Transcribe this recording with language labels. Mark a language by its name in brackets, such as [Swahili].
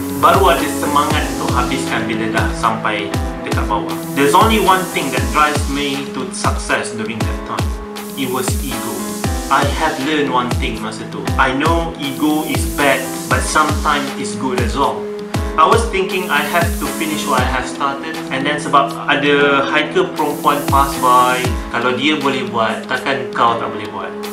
[Malay] Baru ada semangat untuk habiskan bila dah sampai dekat bawah. [English] There's only one thing that drives me to success during that time. It was ego. I have learned one thing [Malay] masa tu. [English] I know ego is bad, but sometimes it's good as well. I was thinking I have to finish what I have started. [Malay] And then sebab ada hiker perempuan pass by, kalau dia boleh buat, takkan kau tak boleh buat.